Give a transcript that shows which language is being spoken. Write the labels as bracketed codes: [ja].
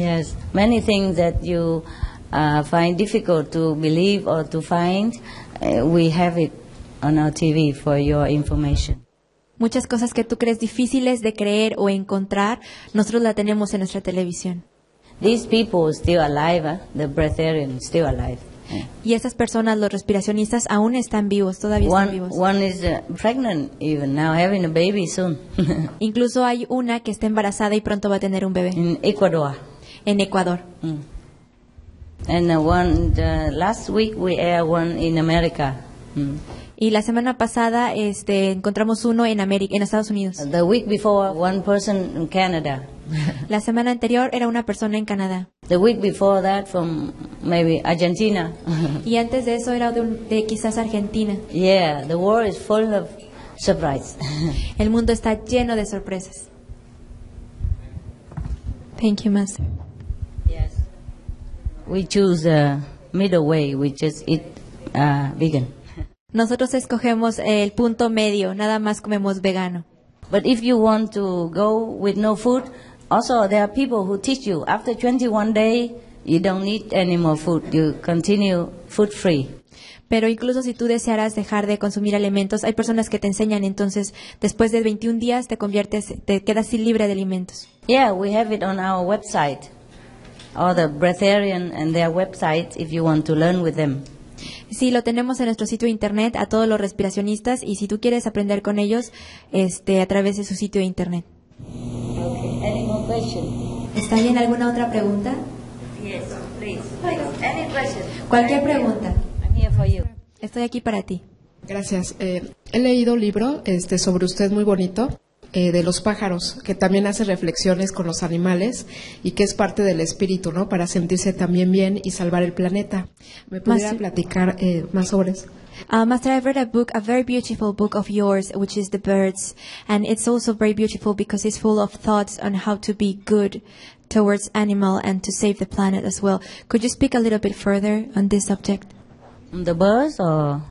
[en] Yes, many things that you find difficult to believe or to find, we have it on our TV for your information. [es] Muchas cosas que tú crees difíciles de creer o encontrar, nosotros la tenemos en nuestra televisión. [en] These people are still alive, the breatharians are still alive. [es] Y esas personas, los respiracionistas, aún están vivos, todavía están vivos. [en] One is pregnant even now, having a baby soon. [es] Incluso hay una que está embarazada y pronto va a tener un bebé. [en] In Ecuador. [es] En Ecuador. [en] And last week we aired one in America. [es] Y la semana pasada encontramos uno en Estados Unidos. [en] The week before, one person in Canada. [es] La semana anterior era una persona en Canadá. [en] The week before that from maybe Argentina. [es] Y antes de eso era de quizás Argentina. [en] Yeah, the world is full of surprises. [es] El mundo está lleno de sorpresas. [en] Thank you, Master. Yes. We choose a middle way. We just eat vegan. [es] Nosotros escogemos el punto medio, nada más comemos vegano. [en] But if you want to go with no food, also there are people who teach you. After 21 days, you don't need any more food. You continue food free. [es] Pero incluso si tú desearas dejar de consumir alimentos, hay personas que te enseñan. Entonces, después de 21 días, te quedas libre de alimentos. [en] Yeah, we have it on our website. All the breatharian and their website, if you want to learn with them. [es] Sí, lo tenemos en nuestro sitio de internet a todos los respiracionistas y si tú quieres aprender con ellos, a través de su sitio de internet. [en] Okay. Any more questions? [es] ¿Está bien alguna otra pregunta? [en] Yes, please. Any questions? [es] Cualquier pregunta. [en] I'm here for you. [es] Estoy aquí para ti. Gracias. He leído un libro sobre usted muy bonito, de los pájaros, que también hace reflexiones con los animales y que es parte del espíritu, ¿no? Para sentirse también bien y salvar el planeta. ¿Me pudiera platicar más sobre eso? [en] Master, I've read a book, a very beautiful book of yours, which is The Birds, and it's also very beautiful because it's full of thoughts on how to be good towards animal and to save the planet as well. Could you speak a little bit further on this subject? The birds or